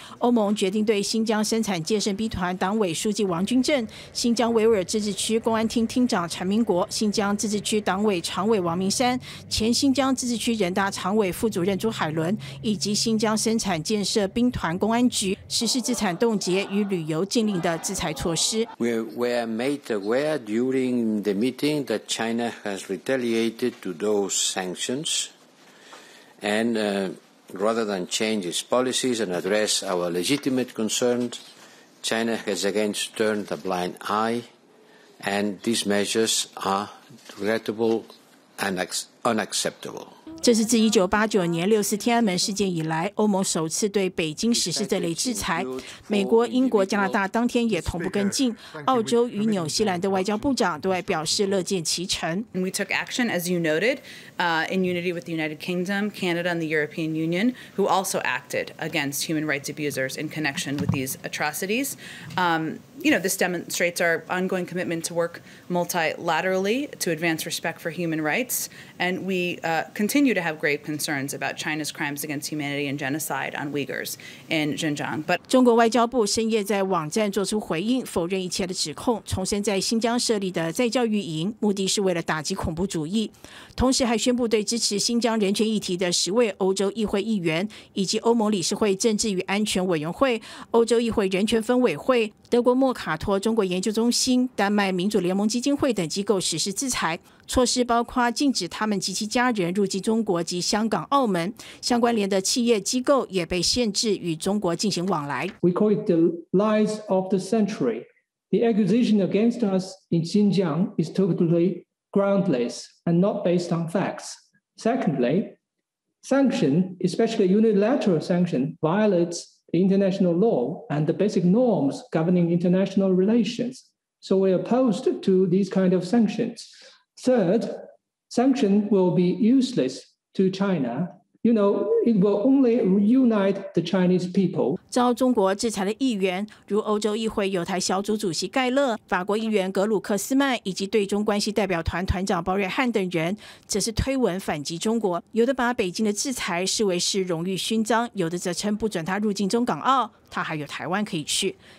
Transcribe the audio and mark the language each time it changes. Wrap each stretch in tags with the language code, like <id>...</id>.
<zh>欧盟决定对新疆生产建设 B 团党委书记王军正、新疆维吾尔自治区公安厅厅长陈明国、新疆自治区党委常委王明山、前新疆自治区人大常委副主任朱海伦以及新疆生产建设兵团公安局实施资产冻结与旅游禁令的制裁措施。</zh> <en>We were made aware during the meeting that China has retaliated to those sanctions and rather than change its policies and address our legitimate concerns, China has again turned a blind eye, and these measures are regrettable and unacceptable.</en> <zh>这是自1989年六四天安门事件以来，欧盟首次对北京实施这类制裁。美国、英国、加拿大当天也同步跟进，澳洲与纽西兰的外交部长都表示乐见其成。</zh> <en>We took action, as you noted, in unity with the United Kingdom, Canada, and the European Union, who also acted against human rights abusers in connection with these atrocities. You know, this demonstrates our ongoing commitment to work multilaterally to advance respect for human rights, and we continue to have grave concerns about China's crimes against humanity and genocide on Uyghurs in Xinjiang. But</en> <zh>中国外交部深夜在网站做出回应，否认一切的指控，重申在新疆设立的在教育营目的是为了打击恐怖主义，同时还宣布对支持新疆人权议题的十位欧洲议会议员以及欧盟理事会政治与安全委员会、欧洲议会人权分委会、德国莫卡托中国研究中心、丹麦民主联盟基金会等机构实施制裁，措施包括禁止他们及其家人入籍中国及香港、澳门，相关联的企业机构也被限制与中国进行往来。</zh> <en>We call it the lies of the century. The accusation against us in Xinjiang is totally groundless and not based on facts. Secondly, sanction, especially unilateral sanction, violates. International law and the basic norms governing international relations. So we're opposed to these kind of sanctions. Third, sanction will be useless to China. You know, it will only reunite the Chinese people.</en> <zh>遭中国制裁的议员，如欧洲议会友台小组主席盖勒、法国议员格鲁克斯曼以及对中关系代表团团长鲍瑞汉等人，则是推文反击中国，有的把北京的制裁视为是荣誉勋章，有的则称不准他入境中港澳，他还有台湾可以去。</zh>